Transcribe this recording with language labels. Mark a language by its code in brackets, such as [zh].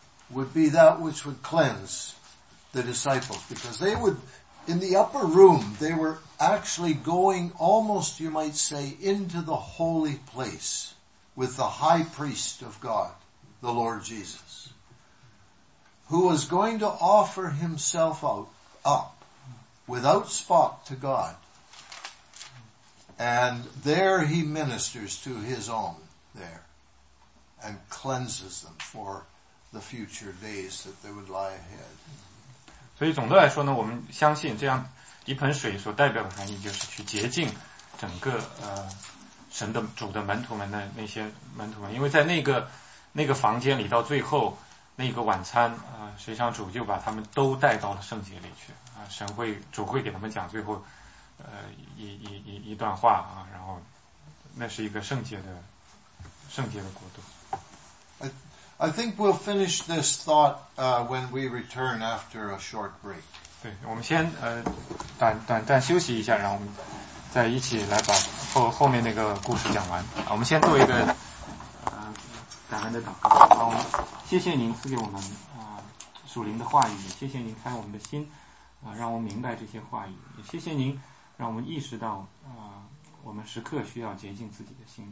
[en] Would be that which would cleanse the disciples, because they would, in the upper room, they were actually going almost, you might say, into the holy place with the high priest of God, the Lord Jesus, who was going to offer himself up without spot to God. And there he ministers to his own there and cleanses them forThe future days that they would lie ahead. [zh] 所以总的来说呢，我们相信这样一盆水所代表的含义，就是去洁净整个神的主的门徒们的那些门徒们，因为在那个房间里，到最后那个晚餐啊，实际上主就把他们都带到了圣洁里去啊。主会给他们讲最后一段话啊，然后那是一个圣洁的国度。 [en] I think we'll finish this thought when we return after a short break. [zh] 对，我们先短暂休息一下，然后我们再一起来把后面那个故事讲完。我们先做一个感恩的祷告。谢谢您赐给我们属灵的话语，谢谢您开我们的心让我们明白这些话语，也谢谢您让我们意识到我们时刻需要洁净自己的心。